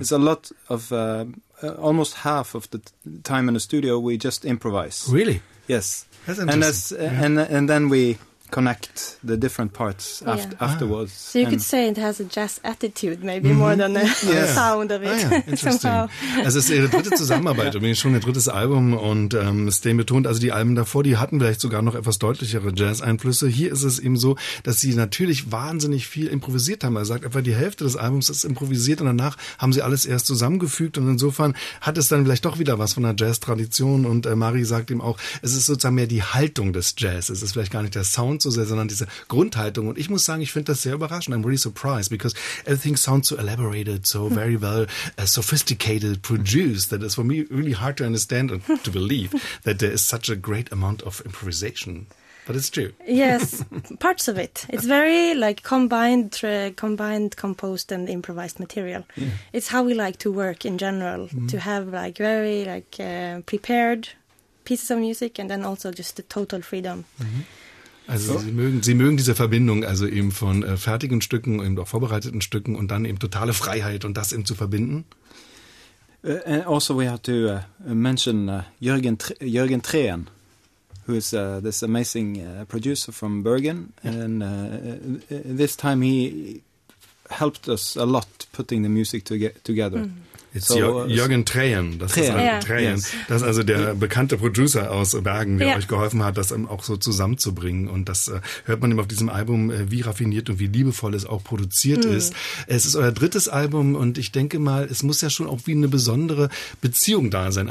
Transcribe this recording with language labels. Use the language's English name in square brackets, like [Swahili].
[English] It's a lot of almost half of the time in the studio we just improvise. Really? Yes. That's And then we connect the different parts afterwards. So you could say it has a jazz attitude, maybe more than the sound of it. Interesting. [German] Also es ist ihre dritte Zusammenarbeit, schon ihr drittes Album und Stein betont, also die Alben davor, die hatten vielleicht sogar noch etwas deutlichere Jazz-Einflüsse. Hier ist es eben so, dass sie natürlich wahnsinnig viel improvisiert haben. Er sagt, etwa die Hälfte des Albums ist improvisiert und danach haben sie alles erst zusammengefügt und insofern hat es dann vielleicht doch wieder was von der Jazz-Tradition und Marie sagt ihm auch, es ist sozusagen mehr die Haltung des Jazz. Es ist vielleicht gar nicht der Sound so sehr, sondern diese Grundhaltung. Und ich muss sagen, ich finde das sehr überraschend. [English] I'm really surprised because everything sounds so elaborated, so very well sophisticated, produced, that it's for me really hard to understand and to believe that there is such a great amount of improvisation. But it's true. Yes, parts of it. It's very like combined, composed and improvised material. Yeah. It's how we like to work in general, to have like very like prepared pieces of music and then also just the total freedom. Mm-hmm. [German] Also Sie mögen diese Verbindung, also eben von fertigen Stücken, eben auch vorbereiteten Stücken und dann eben totale Freiheit und das eben zu verbinden? [English] And also we have to mention Jürgen Trehen, who is this amazing producer from Bergen. And this time he helped us a lot putting the music together. Mm-hmm. It's so, Jürgen Trehen. Das Trehen. [German] Ist ein, [English] yeah. Trehen. Yes. [German] Das ist also der bekannte Producer aus Bergen, der euch geholfen hat, das auch so zusammenzubringen. Und das hört man eben auf diesem Album, wie raffiniert und wie liebevoll es auch produziert ist. Es ist euer drittes Album und ich denke mal, es muss ja schon auch wie eine besondere Beziehung da sein.